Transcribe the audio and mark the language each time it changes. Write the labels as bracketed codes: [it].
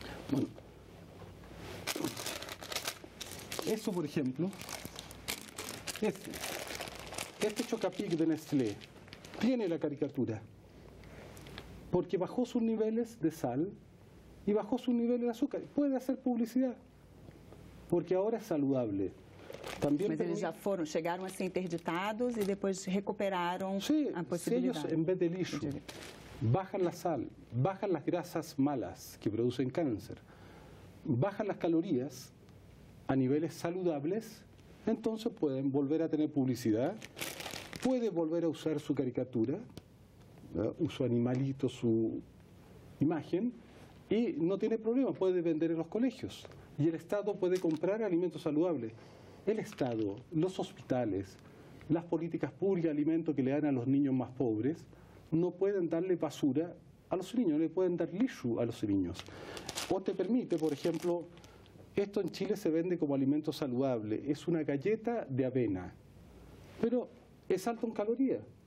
[es] Bueno, eso, por ejemplo, este chocapic de Nestlé tiene la caricatura porque bajó sus niveles de sal y bajó sus niveles de azúcar. Puede hacer publicidad porque ahora es saludable. También [pt] Mas eles já foram, chegaram a ser interditados e depois recuperaram a possibilidade. Sellos, em vez de lixo, bajam a sal, bajam as [es] grasas malas [pt] que producem câncer, bajam as calorias a niveles saludables, então podem volver a ter publicidade, podem volver a usar sua caricatura, seu animalito, sua imagem, e não tem problema, pode vender nos colégios. E o Estado pode comprar alimentos saludables. [es] El Estado, los hospitales, las políticas públicas de alimentos que le dan a los niños más pobres, no pueden darle basura a los niños, le pueden dar lixo a los niños. O te permite, por ejemplo, esto en Chile se vende como alimento saludable, es una galleta de avena, pero es alto en calorías.